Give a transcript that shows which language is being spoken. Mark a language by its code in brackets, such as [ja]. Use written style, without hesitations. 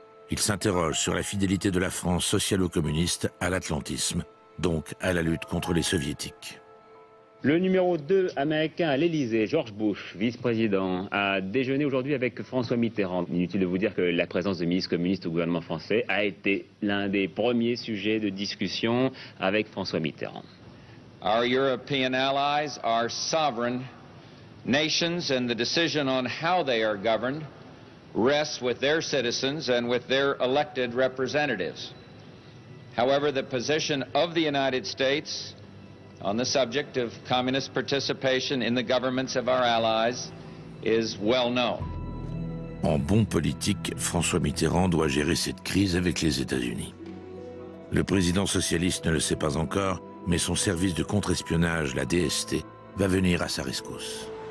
[fr] Ils s'interrogent sur la fidélité de la France socialo-communiste à l'atlantisme, donc à la lutte contre les soviétiques. Le numéro 2 américain à l'Elysée, George Bush, vice-président, a déjeuné aujourd'hui avec François Mitterrand. Inutile de vous dire que la présence de ministres communistes au gouvernement français a été l'un des premiers sujets de discussion avec François Mitterrand. [en] Our European allies are sovereign nations and the decision on how they are governed rests with their citizens and with their elected representatives. However, the position of the United States on the subject of communist participation in the governments of our allies is well known. [fr] En bon politique, François Mitterrand doit gérer cette crise avec les États-Unis. Le président socialiste ne le sait pas encore, mais son service de contre-espionnage, la DST, va venir à sa rescousse.